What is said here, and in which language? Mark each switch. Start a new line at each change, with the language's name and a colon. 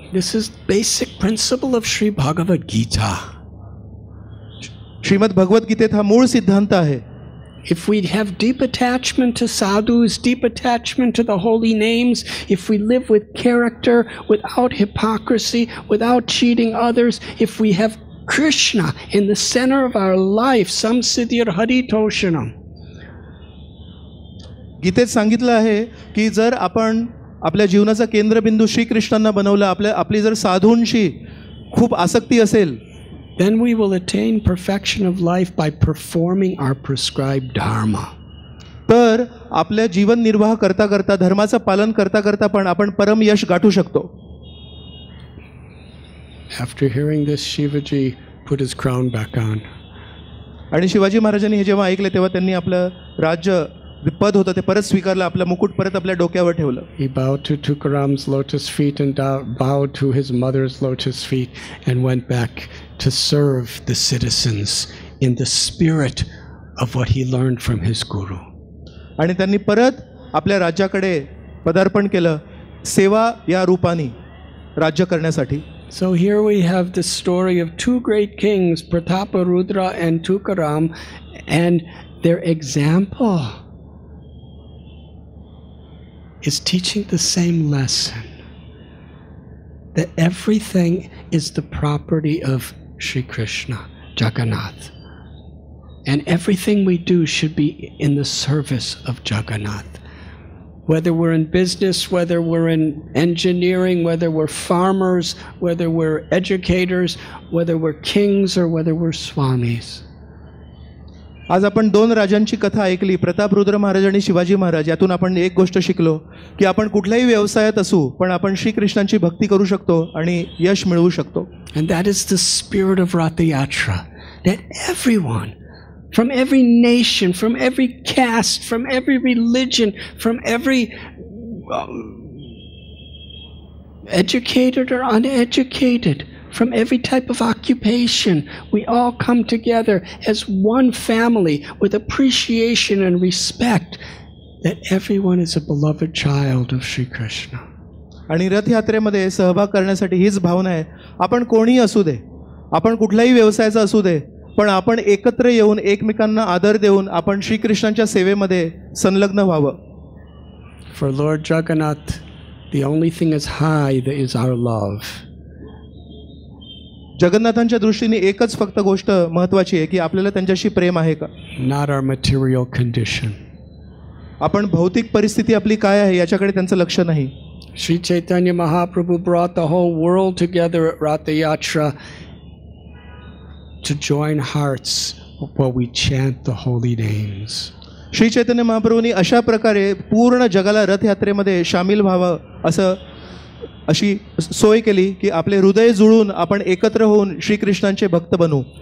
English: This is basic principle of Sri Bhagavad Gita.
Marathi: Shrimad भगवत गीतेत हा मूळ सिद्धांत आहे.
English: If we have deep attachment to sadhus, deep attachment to the holy names, if we live with character, without hypocrisy, without cheating others, if we have Krishna in the center of our life,
Sanskrit: sam siddhir hari toshanam.
Marathi: गीतेत सांगितलं आहे की जर आपण आपल्या जीवनाचा केंद्रबिंदू श्री कृष्णांना बनवलं, आपली जर साधूंशी खूप आसक्ती असेल,
English: then we will attain perfection of life by performing our prescribed dharma.
Marathi: तर आपल्या जीवन निर्वाह करता करता धर्माचं पालन करता करता पण आपण परम यश गाठू शकतो.
English: After hearing this, Shivaji put his crown back on.
Marathi: आणि शिवाजी महाराजांनी हे जेव्हा ऐकले तेव्हा त्यांनी आपलं राज्य पद होतं ते परत स्वीकारलं, आपलं मुकुट परत आपल्या डोक्यावर ठेवलं.
English: He bowed to Tukaram's lotus feet and bowed to his mother's lotus feet and went back to serve the citizens in the spirit of what he learned from his guru.
Marathi: आणि त्यांनी परत आपल्या राज्याकडे पदार्पण केलं सेवा या रूपाने राज्य करण्यासाठी.
English: So here we have the story of two great kings, Pratapa Rudra and Tukaram, and their example is teaching the same lesson that everything is the property of Shri Krishna, Jagannath. And everything we do should be in the service of Jagannath. Whether we're in business, whether we're in engineering, whether we're farmers, whether we're educators, whether we're kings or whether we're swamis.
Marathi: आज आपण दोन राजांची कथा ऐकली, प्रताप रुद्र महाराज आणि शिवाजी महाराज. यातून आपण एक गोष्ट शिकलो की आपण कुठल्याही व्यवसायात असू पण आपण श्रीकृष्णांची भक्ती करू शकतो आणि यश मिळवू शकतो.
English: And that is the spirit of Rath Yatra, that everyone from every nation, from every caste, from every religion, from every educated or uneducated, from every type of occupation, we all come together as one family with appreciation and respect that everyone is a beloved child of Shri Krishna.
Marathi: आणि रथ यात्रेमध्ये सहभाग करण्यासाठी हीच भावना आहे. आपण कोणी असू दे, आपण कुठल्याही व्यवसायाचा असू दे, पण आपण एकत्र येऊन एकमेकांना आदर देऊन आपण श्रीकृष्णांच्या सेवेमध्ये संलग्न व्हावं.
English: For Lord Jagannath, the only thing is high, that is our love.
Marathi: जगन्नाथांच्या दृष्टीने एकच फक्त गोष्ट महत्त्वाची आहे की आपल्याला त्यांच्याशी प्रेम आहे का.
English: Not our material condition.
Marathi: आपण भौतिक परिस्थिती आपली काय आहे याच्याकडे त्यांचं लक्ष नाही.
English: Shri Chaitanya Mahaprabhu brought the whole world together at Rath Yatra to join hearts while we chant the holy names.
Marathi: Shri Chaitanya महाप्रभूंनी अशा प्रकारे पूर्ण जगाला रथयात्रेमध्ये सामील व्हावं असं अशी सोय केली की आपले हृदय जुळून आपण एकत्र होऊन श्रीकृष्णांचे भक्त बनू.